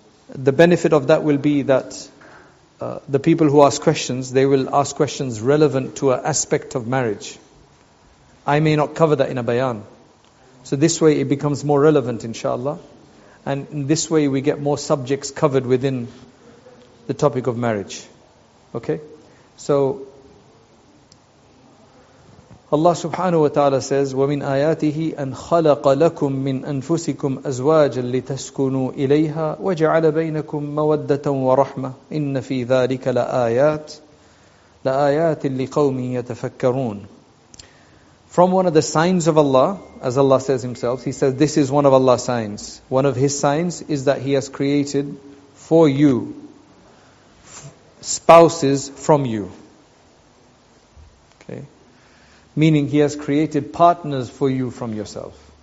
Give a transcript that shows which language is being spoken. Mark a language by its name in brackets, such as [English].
[English] The benefit of that will be that the people who ask questions, they will ask questions relevant to an aspect of marriage. I may not cover that in a bayan. So this way it becomes more relevant, inshallah. And in this way we get more subjects covered within the topic of marriage. Okay? [Arabic] So, Allah subhanahu wa ta'ala says, وَمِنْ آيَاتِهِ أَنْ خَلَقَ لَكُمْ مِنْ أَنْفُسِكُمْ أَزْوَاجًا لِتَسْكُنُوا إِلَيْهَا وَجَعَلَ بَيْنَكُمْ مَوَدَّةً وَرَحْمَةً إِنَّ فِي ذَلِكَ لَآيَاتٍ لِقَوْمٍ يَتَفَكَّرُونَ. [English] From one of the signs of Allah, as Allah says Himself, He says this is one of Allah's signs. One of His signs is that He has created for you spouses from you. Okay, meaning He has created partners for you from yourself.